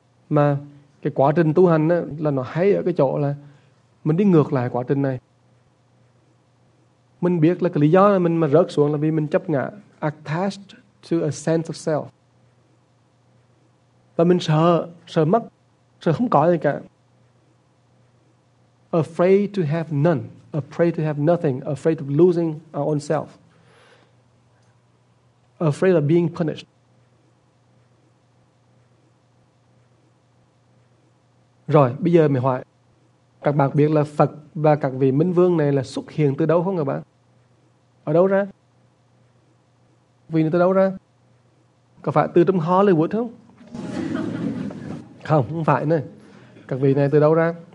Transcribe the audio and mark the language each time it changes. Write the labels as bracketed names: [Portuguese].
[Vietnamese] Mà cái quá trình tu hành là nó hay ở cái chỗ là mình đi ngược lại quá trình này. Mình biết là cái lý do là mình mà rớt xuống là vì mình chấp ngã, [English] attached to a sense of self. [Vietnamese] Và mình sợ mất, sợ không có gì cả. [English] Afraid to have none, afraid to have nothing, afraid of losing our own self. Afraid of being punished. [Vietnamese] Rồi, bây giờ mình hỏi, các bạn biết là Phật và các vị minh vương này là xuất hiện từ đâu không các bạn? Ở đâu ra? Vì nó từ đâu ra? Có phải từ trong Hollywood không? Không, không phải này. Các vị này từ đâu ra?